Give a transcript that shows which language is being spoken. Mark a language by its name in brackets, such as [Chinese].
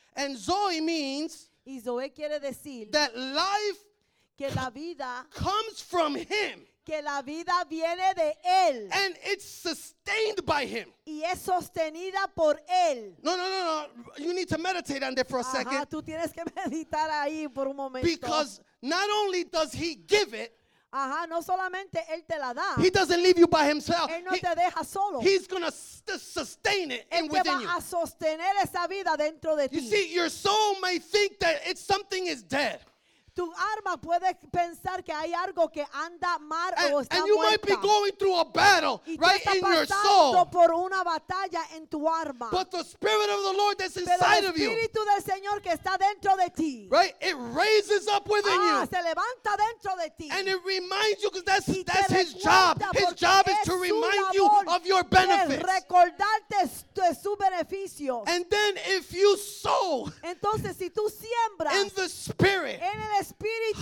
[English] And Zoe means [Spanish] y Zoe quiere decir [English] that life [Spanish] que la vida [English] comes from him. [Spanish] Que la vida viene de él. [English] And it's sustained by him. [Spanish] Y es sostenida por él. No. [English] You need to meditate on that for a [Spanish] Ajá, [English] second. [Spanish] Tú tienes que meditar ahí por un momento. [English] Because not only does he give it. [Spanish] Ajá, no solamente él te la da. [English] He doesn't leave you by himself. [Spanish] Él no te deja solo. [English] He's going to sustain it [Spanish] él [English] and within [Spanish] va [English] you. [Spanish] A sostener esa vida dentro de [English] you [Spanish] ti. [English] See, your soul may think that it's something is dead. [Spanish] Tu arma puede pensar que hay algo que anda mal o está muerta. [English] And you [Spanish] muerta. [English] Might be going through a battle, right, in your soul. [Spanish] Por una batalla en tu arma. [English] But the Spirit of the Lord that's inside of you. [Spanish] Pero el Espíritu del Señor que está dentro de ti. [English] Right, it raises up within you. [Spanish] Se levanta dentro de ti. [English] And it reminds you, because that's His job. His job is to remind you of your benefits. [Spanish] Recordarte de su beneficio. [English] And then if you sow. [Spanish] Entonces si tú siembras. [English] In the Spirit. [Spanish] Espíritu.